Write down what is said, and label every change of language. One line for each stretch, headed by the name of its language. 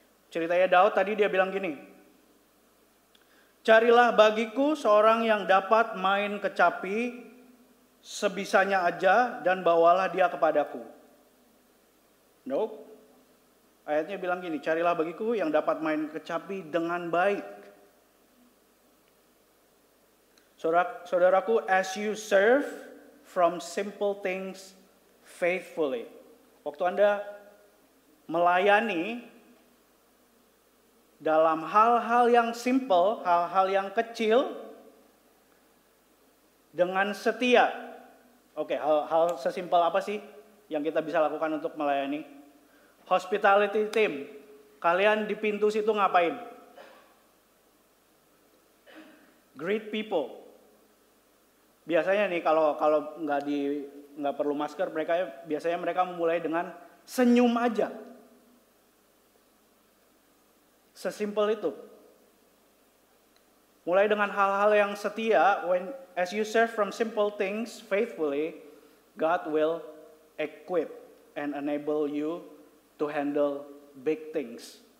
Indonesian: Ceritanya Daud tadi dia bilang gini, carilah bagiku seorang yang dapat main kecapi sebisanya aja dan bawalah dia kepadaku.
English: Nope.
Indonesian: Ayatnya bilang gini, carilah bagiku yang dapat main kecapi dengan baik. Saudaraku,
English: as you serve from simple things faithfully.
Indonesian: Waktu Anda melayani dalam hal-hal yang simple, hal-hal yang kecil, dengan setia. Oke, hal-hal sesimpel apa sih yang kita bisa lakukan untuk melayani?
English: Hospitality team,
Indonesian: kalian di pintu situ ngapain?
English: Greet people.
Indonesian: Biasanya nih kalau nggak perlu masker, mereka mulai dengan senyum aja. Sesimpel itu. Mulai dengan hal-hal yang setia.
English: When as you serve from simple things faithfully, God will equip and enable you to handle big things.